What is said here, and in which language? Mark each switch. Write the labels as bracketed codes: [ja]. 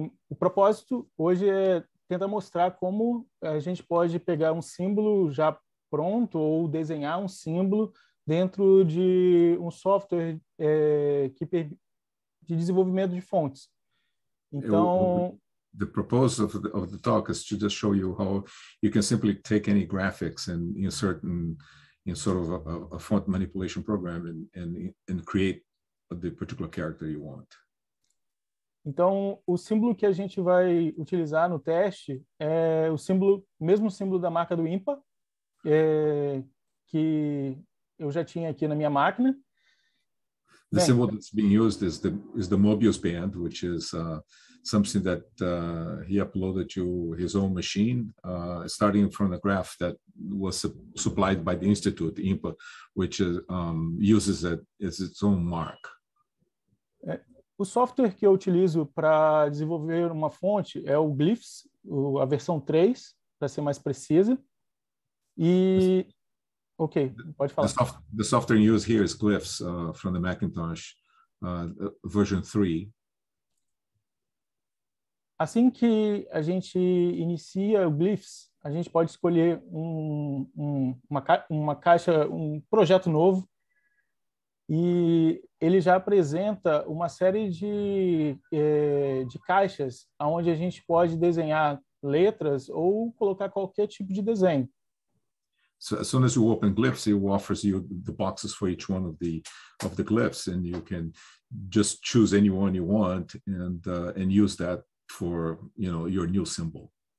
[pt] O propósito hoje é tentar mostrar como a gente pode pegar um símbolo já pronto ou desenhar um símbolo dentro de um software de desenvolvimento de fontes. Então... [en] The purpose of the talk is to just show you how you can simply take any graphics and insert in sort of a font manipulation program and create the particular character you want. [pt] Então, o símbolo que a gente vai utilizar no teste é o mesmo símbolo da marca do IMPA, que eu já tinha aqui na minha máquina. [en] The symbol that's being used is the Möbius band, which is something that he uploaded to his own machine, starting from a graph that was supplied by the Institute, IMPA, which uses it as its own mark. [pt] O software que eu utilizo para desenvolver uma fonte é o Glyphs, a versão 3, para ser mais precisa. Okay, pode falar. [en] The software used here is Glyphs from the Macintosh version 3. [pt] Assim que a gente inicia o Glyphs, a gente pode escolher uma caixa, um projeto novo, e ele já apresenta uma série de caixas onde a gente pode desenhar letras ou colocar qualquer tipo de desenho. [en] So as soon as you open Glyphs, it offers you the boxes for each one of the glyphs, and you can just choose any one you want and use that for your new symbol.